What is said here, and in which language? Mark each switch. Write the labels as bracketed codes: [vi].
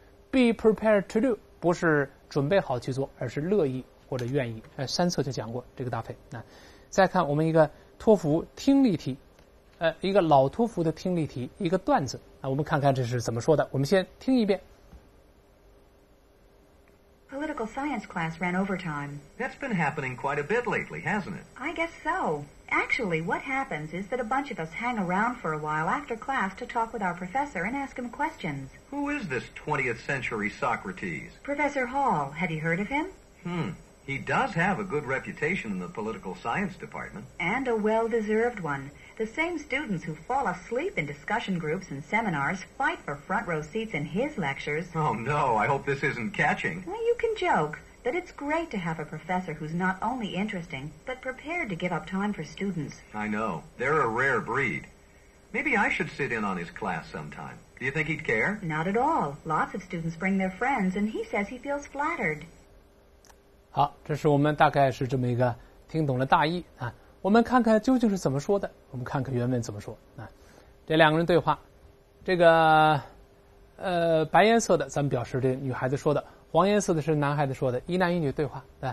[en] be prepared to do [zh] 不是准备好去做，而是乐意或者愿意。三册就讲过这个搭配。再看我们一个托福听力题，一个老托福的听力题，一个段子啊，我们看看这是怎么说的，我们先听一遍。 [en] Political science class ran overtime. That's been happening quite a bit lately, hasn't it? I guess so. Actually, what happens is that a bunch of us hang around for a while after class to talk with our professor and ask him questions. Who is this 20th century Socrates? Professor Hall. Have you heard of him? He does have a good reputation in the political science department. And a well-deserved one. The same students who fall asleep in discussion groups and seminars fight for front row seats in his lectures. Oh, no, I hope this isn't catching. Well, you can joke, but it's great to have a professor who's not only interesting, but prepared to give up time for students. I know. They're a rare breed. Maybe I should sit in on his class sometime. Do you think he'd care? Not at all. Lots of students bring their friends, and he says he feels flattered. [zh] 好，这是我们大概是这么一个听懂的大意啊。我们看看究竟是怎么说的，我们看看原文怎么说啊。这两个人对话，这个白颜色的咱们表示这女孩子说的，黄颜色的是男孩子说的，一男一女对话。